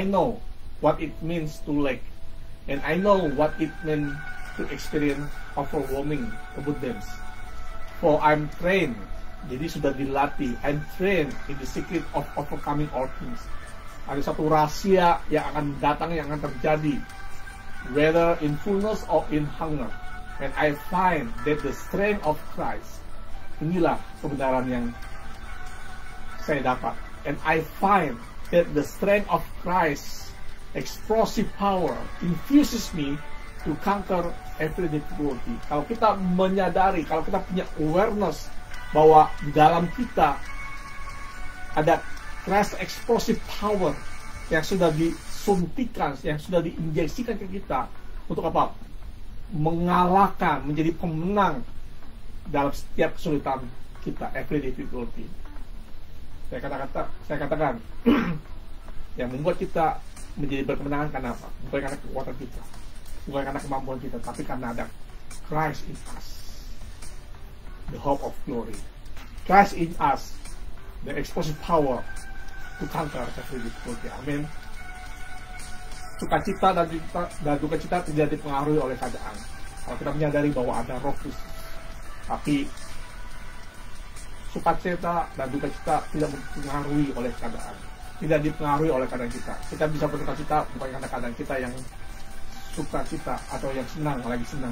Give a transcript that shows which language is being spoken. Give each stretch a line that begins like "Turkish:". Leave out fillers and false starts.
English: I know what it means to lack, and I know what it means to experience overwhelming abundance. For I'm trained.
Indonesian: Jadi sudah dilatih,
English: and trained in the secret of overcoming all things.
Indonesian: Ada satu rahasia yang akan datang, yang akan terjadi,
English: whether in fullness or in hunger. And I find that the strength of Christ,
Indonesian: inilah kebenaran yang saya dapat.
English: And I find that the strength of Christ, explosive power, infuses me to conquer every difficulty.
Indonesian: Kalau kita menyadari, kalau kita punya awareness bahwa di dalam kita ada Christ explosive power yang sudah disuntikan, yang sudah diinjeksikan ke kita untuk apa? Mengalahkan, menjadi pemenang dalam setiap kesulitan kita,
English: every difficulty.
Indonesian: Saya katakan yang membuat kita menjadi berkemenangan karena apa? Bukan karena kekuatan kita, bukan karena kemampuan kita, tapi karena ada
English: Christ in us, the hope of glory. Christ in us, the explosive power to conquer every difficulty.
Indonesian: Amin. Sukacita dan duka cita tidak dipengaruhi oleh keadaan. Kalau kita menyadari bahwa ada Roh Kristus, tapi sukacita dan duka cita tidak dipengaruhi oleh keadaan. Tidak dipengaruhi oleh keadaan kita. Kita bisa bersuka cita bukan karena keadaan kita yang suka cita atau yang senang, lagi senang.